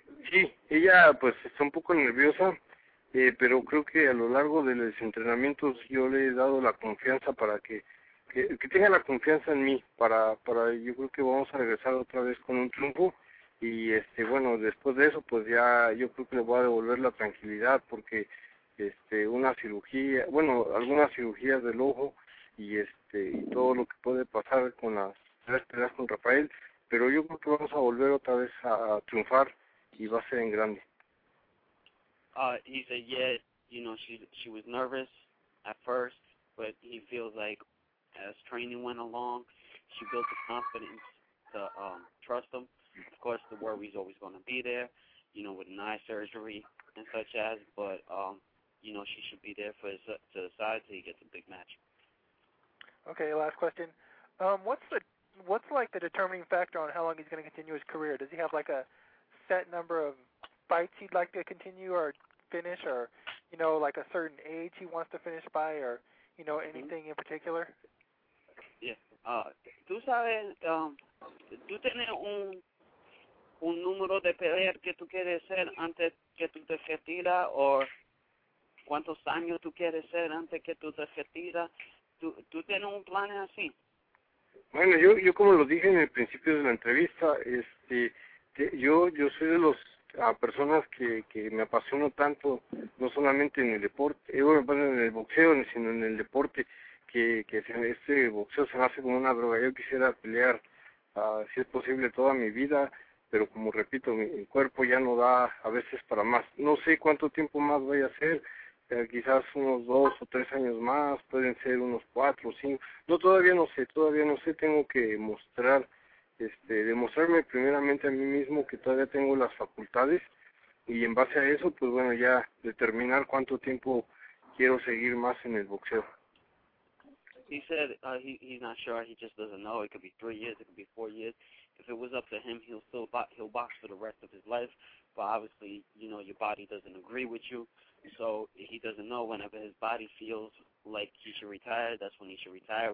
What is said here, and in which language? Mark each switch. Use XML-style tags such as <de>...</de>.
<es>Sí, ella pues está un poco nerviosa, pero creo que a lo largo de los entrenamientos yo le he dado la confianza para que tenga la confianza en mí para yo creo que vamos a regresar otra vez con un triunfo y bueno, después de eso pues ya yo creo que le voy a devolver la tranquilidad porque una cirugía, bueno, algunas cirugías del ojo y todo lo que puede pasar con las tres peleas con Rafael, pero yo creo que vamos a volver otra vez a triunfar y va a ser en grande.</es> <en>He said, yeah, you know, she was nervous at first, but he feels like as training went along, she built the confidence to trust him. Of course, the worry's always going to be there, you know, with an eye surgery and such as, but you know, she should be there for his, to the side till he gets a big match. Okay, last question. What's the determining factor on how long he's going to continue his career? Does he have, like, a set number of fights he'd like to continue or finish or, you know, like a certain age he wants to finish by or, you know, anything in particular? Yeah.</en> <es>Tú sabes, tú tienes un número de pelear que tú quieres hacer antes que tú te retiras o... ¿Cuántos años tú quieres ser antes que tú te retiras? ¿Tú tienes un plan así? Bueno, yo como lo dije en el principio de la entrevista, yo soy de los personas que me apasiono tanto, no solamente en el deporte, en el boxeo, sino en el deporte, que este boxeo se me hace como una droga. Yo quisiera pelear, si es posible, toda mi vida, pero como repito, mi cuerpo ya no da a veces para más. No sé cuánto tiempo más voy a hacer. Quizás unos 2 o 3 años más, pueden ser unos 4 o 5. No, todavía no sé, tengo que demostrarme primeramente a mí mismo que todavía tengo las facultades y en base a eso, pues bueno, ya determinar cuánto tiempo quiero seguir más en el boxeo.</es> <en>He said he's not sure, he just doesn't know, it could be 3 years, it could be 4 years. If it was up to him, he'll box for the rest of his life, but obviously, you know, your body doesn't agree with you. So he doesn't know. Whenever his body feels like he should retire, that's when he should retire.</en>